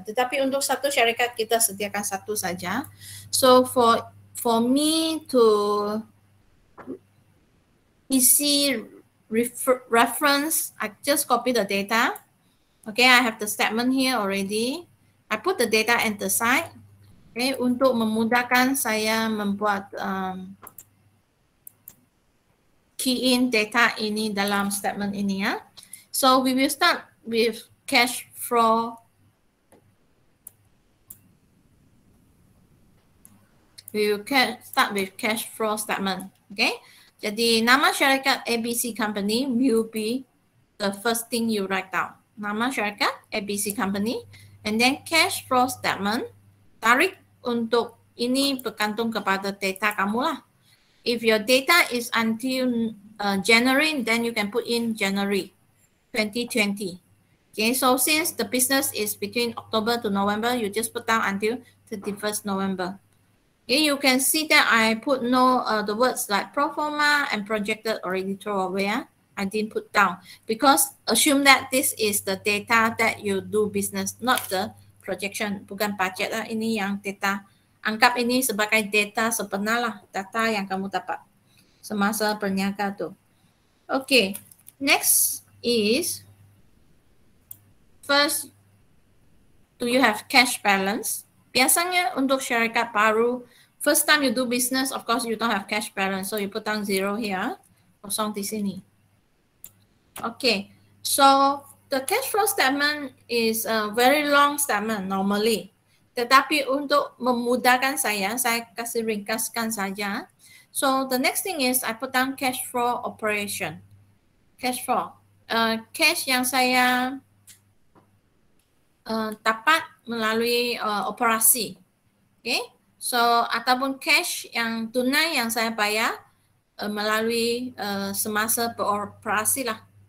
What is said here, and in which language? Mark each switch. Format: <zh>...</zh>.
<ms>Tetapi untuk satu syarikat kita sediakan satu saja.</ms> <en>So for me to easy reference, I just copy the data. Okay, I have the statement here already. I put the data at the side.</en> <ms>Okay, untuk memudahkan saya membuat key in data ini dalam statement ini ya.</ms> <en>So we will start with cash flow. We will start with cash flow statement. Okay.</en> <ms>Jadi nama syarikat</ms> <en>ABC Company will be the first thing you write down.</en> <ms>Nama syarikat ABC Company.</ms> <en>And then cash flow statement.</en> <ms>Tarik untuk ini bergantung kepada data kamu lah.</ms> <en>If your data is until January, then you can put in January 2020. Okay. So since the business is between October to November, you just put down until 31st November. Okay, you can see that I put no the words like pro forma and projected already throw away. I didn't put down because assume that this is the data that you do business, not the projection.</en> <ms>Bukan budget lah, ini yang data. Anggap ini sebagai data sebenar lah, data yang kamu dapat semasa berniaga tu.</ms> <en>Okay, next is first, do you have cash balance?</en> <ms>Biasanya untuk syarikat baru,</ms> <en>first time you do business, of course you don't have cash balance. So you put down zero here,</en> <ms>kosong di sini.</ms> <en>Okay, so the cash flow statement is a very long statement normally.</en> <ms>Tetapi untuk memudahkan saya kasih ringkaskan saja.</ms> <en>So the next thing is I put down cash flow operation. Cash flow.</en> <ms>Cash yang saya dapat melalui operasi. Okay. So ataupun cash yang tunai yang saya bayar melalui semasa beroperasi lah.</ms>